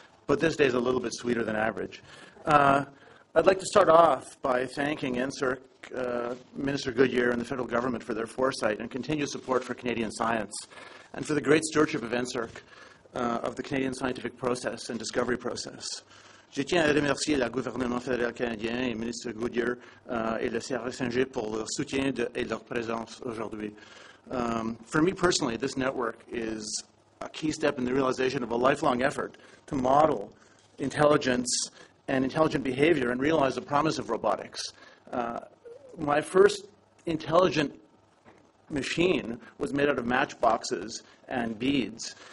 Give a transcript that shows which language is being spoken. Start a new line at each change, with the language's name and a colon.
English: But this day is a little bit sweeter than average. I'd like to start off by thanking NSERC, Minister Goodyear, and the federal government for their foresight and continued support for Canadian science and for the great stewardship of NSERC, of the Canadian scientific process and discovery process.
French: Je tiens à remercier le gouvernement fédéral canadien et ministre Goodyear et le CRSNG pour leur soutien et leur présence aujourd'hui.
English: For me personally, this network is a key step in the realization of a lifelong effort to model intelligence and intelligent behavior and realize the promise of robotics. My first intelligent machine was made out of matchboxes and beads.